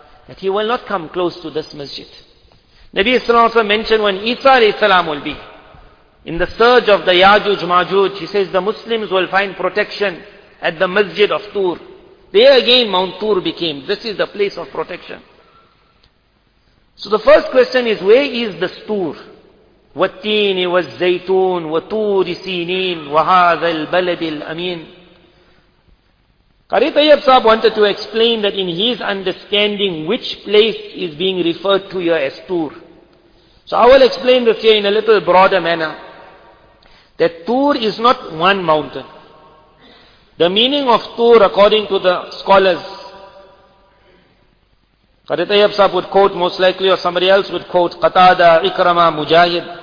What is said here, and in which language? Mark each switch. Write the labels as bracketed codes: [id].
[en] That he will not come close to this masjid. Nabi Sallallahu Alaihi mentioned when Isa alayhi salam will be. In the surge of the Yajuj Majuj, he says the Muslims will find protection at the Masjid of Tur. There again Mount Tur became. This is the place of protection. So the first question is, where is this Tur? [ar] والتين والزيتون وطور سينين وهذا البلد الأمين. [en] Qari Tayyab Sahib wanted to explain that in his understanding which place is being referred to here as Tur. So I will explain this here in a little broader manner. That Tur is not one mountain. The meaning of Tur, according to the scholars, Qari Tayyab Sahib would quote most likely, or somebody else would quote, Qatada, Ikrama, Mujahid.